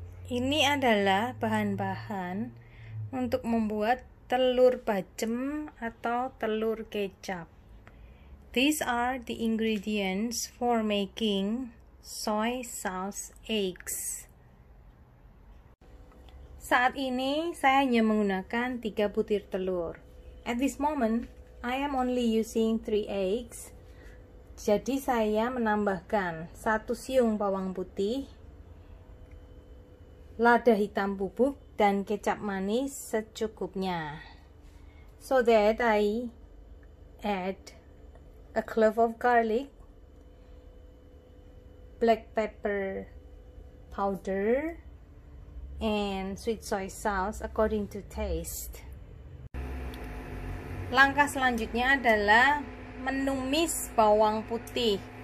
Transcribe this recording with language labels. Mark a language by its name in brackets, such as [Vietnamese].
[Indonesian] Ini adalah bahan-bahan untuk membuat telur bacem atau telur kecap. [English] These are the ingredients for making soy sauce eggs. [Indonesian] Saat ini, saya hanya menggunakan 3 butir telur. [English] At this moment, I am only using 3 eggs. [Indonesian] Jadi, saya menambahkan 1 siung bawang putih, lada hitam bubuk, dan kecap manis secukupnya. [English] So that I add a clove of garlic, black pepper powder, and sweet soy sauce according to taste. [Indonesian] Langkah selanjutnya adalah menumis bawang putih.